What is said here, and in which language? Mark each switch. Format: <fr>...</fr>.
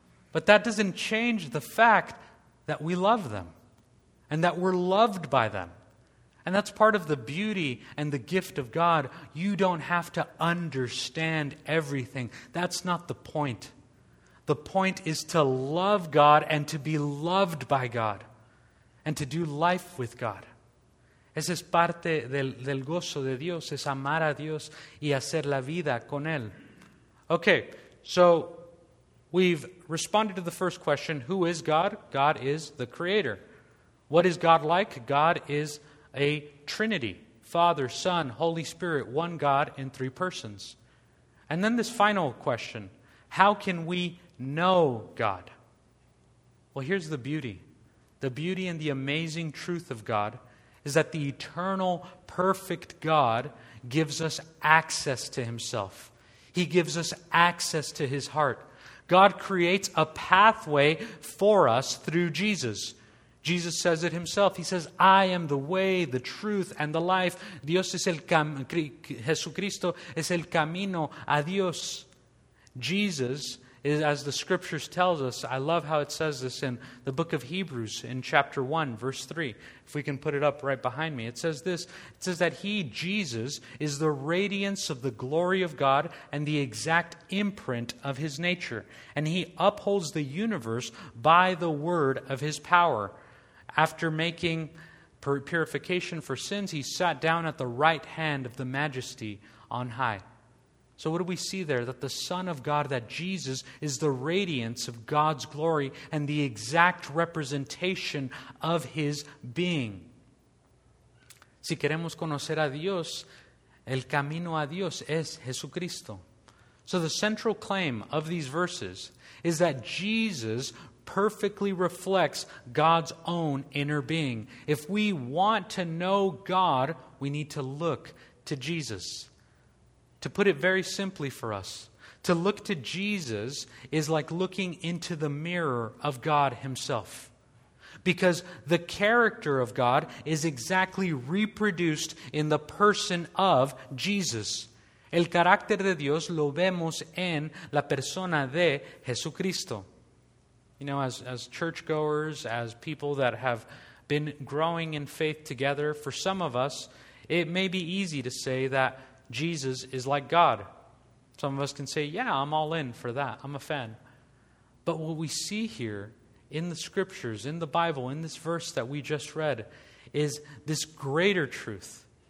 <en>But that doesn't change the fact that we love them and that we're loved by them. And that's part of the beauty and the gift of God. You don't have to understand everything. That's not the point. The point is to love God and to be loved by God and to do life with God.</en> <es>Esa es parte del gozo de Dios, es amar a Dios y hacer la vida con Él.</es> <en>Okay, so we've responded to the first question, who is God? God is the Creator. What is God like? God is a Trinity, Father, Son, Holy Spirit, one God in three persons. And then this final question, how can we know God? Well, here's the beauty. The beauty and the amazing truth of God is that the eternal, perfect God gives us access to himself. He gives us access to his heart. God creates a pathway for us through Jesus. Jesus says it himself. He says, I am the way, the truth, and the life.</en> <es>Dios es el Jesucristo es el camino a Dios.</es> <en>Jesus is, as the scriptures tells us, I love how it says this in the book of Hebrews in chapter 1, verse 3. If we can put it up right behind me. It says this. It says that he, Jesus, is the radiance of the glory of God and the exact imprint of his nature. And he upholds the universe by the word of his power. After making purification for sins, he sat down at the right hand of the majesty on high. So what do we see there? That the Son of God, that Jesus, is the radiance of God's glory and the exact representation of his being.</en> <es>Si queremos conocer a Dios, el camino a Dios es Jesucristo.</es> <en>So the central claim of these verses is that Jesus perfectly reflects God's own inner being. If we want to know God, we need to look to Jesus. To put it very simply for us, to look to Jesus is like looking into the mirror of God himself. Because the character of God is exactly reproduced in the person of Jesus.</en> <es>El carácter de Dios lo vemos en la persona de Jesucristo.</es> <en>You know, as churchgoers, as people that have been growing in faith together, for some of us, it may be easy to say that Jesus is like God. Some of us can say, yeah, I'm all in for that. I'm a fan. But what we see here in the scriptures, in the Bible, in this verse that we just read, is this greater truth.</en>